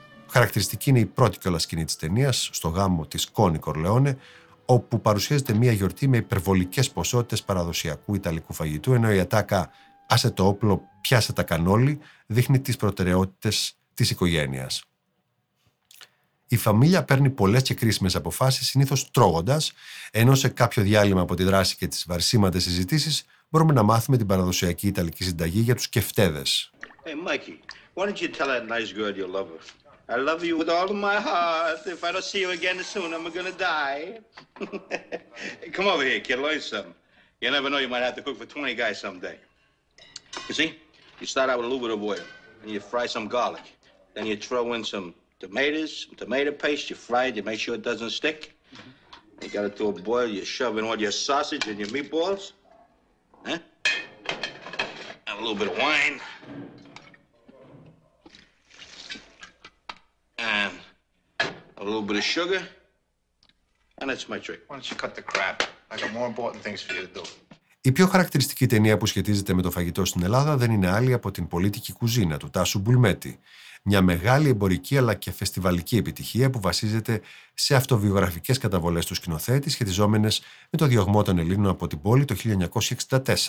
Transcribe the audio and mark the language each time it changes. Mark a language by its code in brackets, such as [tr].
[el] Χαρακτηριστική είναι η πρώτη κιόλας σκηνή της ταινίας, στο γάμο της Κόνη Κορλεόνε, όπου παρουσιάζεται μια γιορτή με υπερβολικές ποσότητες παραδοσιακού ιταλικού φαγητού, ενώ η ατάκα «άσε το όπλο, πιάσε τα κανόλι» δείχνει τις προτεραιότητες της οικογένειας. Η φαμίλια παίρνει πολλές και κρίσιμες αποφάσεις, συνήθως τρώγοντας, ενώ σε κάποιο διάλειμμα από τη δράση και τις βαρσίματες συζητήσεις, μπορούμε να μάθουμε την παραδοσιακή ιταλική συνταγή για τους κεφτέδες. [en] Hey, Mikey, why don't you tell that nice girl you love her? I love you with all of my heart. If I don't see you again soon, I'm gonna die. Come over here, kid, learn something. You never know, you might have to cook for 20 guys someday. You see, you start out with a little bit of oil, and you fry some garlic. Then you throw in some tomatoes, some tomato paste, you fry it, you make sure it doesn't stick. You got it to a boil, you shove in all your sausage and your meatballs. Huh? And a little bit of wine. And a little bit of sugar. And that's my trick. Why don't you cut the crap? I got more important things for you to do. [el] Η πιο χαρακτηριστική ταινία που σχετίζεται με το φαγητό στην Ελλάδα δεν είναι άλλη από την Πολίτικη Κουζίνα του Τάσου Μπουλμέτη. Μια μεγάλη εμπορική αλλά και φεστιβαλική επιτυχία που βασίζεται σε αυτοβιογραφικές καταβολές του σκηνοθέτη σχετιζόμενες με το διωγμό των Ελλήνων από την πόλη το 1964.